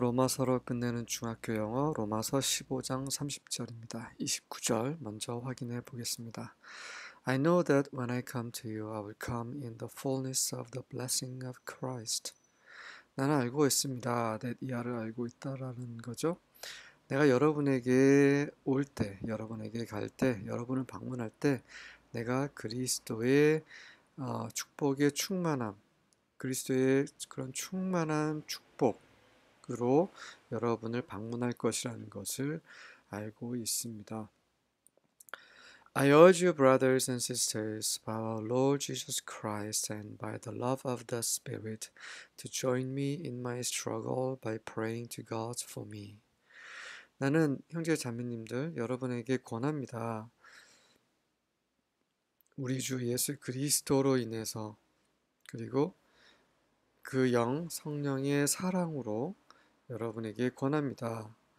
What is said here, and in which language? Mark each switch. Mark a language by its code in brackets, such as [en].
[ko] 로마서를 끝내는 중학교 영어 로마서 15장 30절입니다. 29절 먼저 확인해 보겠습니다. [en] I know that when I come to you, I will come in the fullness of the blessing of Christ. [ko] 나는 알고 있습니다. That 이하를 알고 있다라는 거죠. 내가 여러분에게 올 때, 여러분에게 갈 때, 여러분을 방문할 때, 내가 그리스도의 축복의 충만함, 그리스도의 그런 충만한 축복, 으로 여러분을 방문할 것이라는 것을 알고 있습니다. [en] I urge you, brothers and sisters, by our Lord Jesus Christ and by the love of the Spirit, to join me in my struggle by praying to God for me. [ko] 나는 형제 자매님들 여러분에게 권합니다. 우리 주 예수 그리스도로 인해서 그리고 그영 성령의 사랑으로 여러분에게 권합니다.